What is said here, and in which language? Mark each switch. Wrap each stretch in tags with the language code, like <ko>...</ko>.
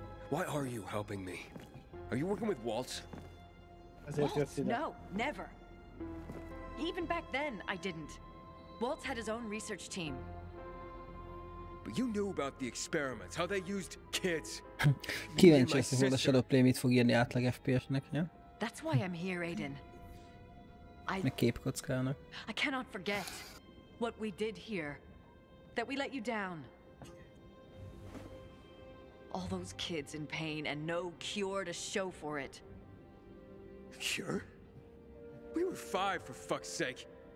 <en>Why are you helping me? Are you working with Waltz? Waltz? No, never. Even back then, I didn't. Waltz had his own research team. But you knew about the experiments, how they used kids.</en> <hu>Kíváncsi, hogy a Shadow Play mit fog írni átlag FPS-nek, ja?</hu> <en>That's why I'm here, Aiden. I cannot forget what we did here, that we let you down. All those kids in pain and no cure to show for it. Cure? We were five, for fuck's sake.</en>